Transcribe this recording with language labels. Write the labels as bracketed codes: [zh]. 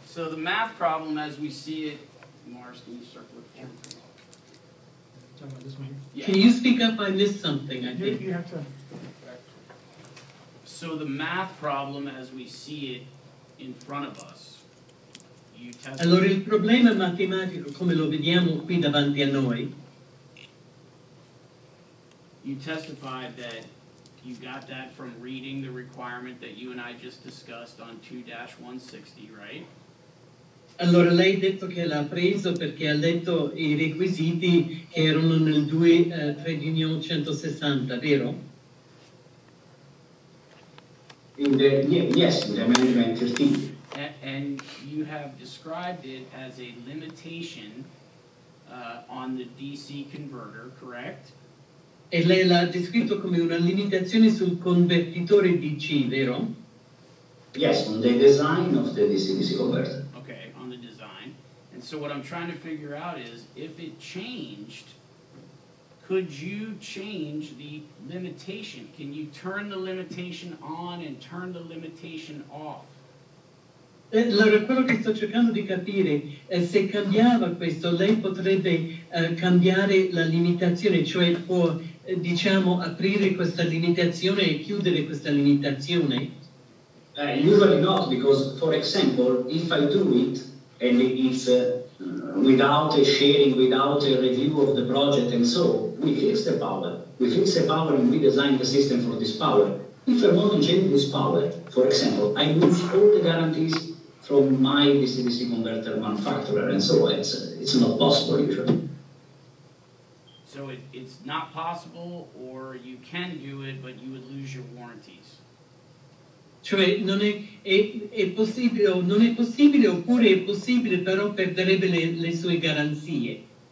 [en] So the math problem as we see it... Mars, can you circle it? Talking about this one? Can you speak up? I missed something, I think. You have to... So the math problem as we see it in front of us, you test... [it] Allora, il problema matematico, come lo vediamo qui davanti a noi... [en] You testified that you got that from reading the requirement that you and I just discussed on 2-160, right? [it] Allora, lei ha detto che l'ha preso perché ha letto i requisiti che erano nel 2-160, vero? [en] Yes, in the amendment 13. And you have described it as a limitation on the DC converter, correct? [it] E lei l'ha descritto come una limitazione sul convertitore DC, vero? [en] Yes, on the design of the DC-DC converter. Okay, on the design. And so what I'm trying to figure out is, if it changed, Could you change the limitation? Can you turn the limitation on and turn the limitation off? [it] Lo ricordo che sto cercando di capire se cambiava questo, lei potrebbe cambiare la limitazione, cioè può, diciamo, aprire questa limitazione e chiudere questa limitazione? [en] Usually not, because, for example, if I do it, and it's without a sharing, without a review of the project, and so, we fix the power. We fix the power and we design the system for this power. If I want to change this power, for example, I move all the guarantees from my DC-DC converter manufacturer, and so it's not possible usually. So it's not possible, or you can do it, but you would lose your warranties. [it] Cioè non è possibile, non è possibile, oppure è possibile, però perderebbe le sue garanzie.